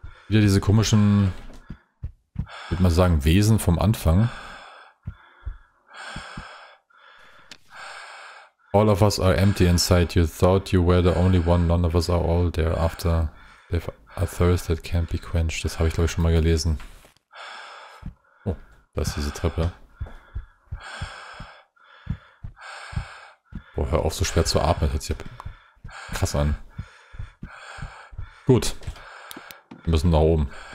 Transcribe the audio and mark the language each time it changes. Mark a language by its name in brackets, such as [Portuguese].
[German] Wieder diese komischen, würde man sagen, Wesen vom Anfang. [English] All of us are empty inside. You thought you were the only one. None of us are all there after a thirst that can't be quenched. [German] Das habe ich, glaube ich, schon mal gelesen. Oh, da ist diese Treppe. Boah, hör auf, so schwer zu atmen. Hört sich krass an. Gut. Wir müssen nach oben.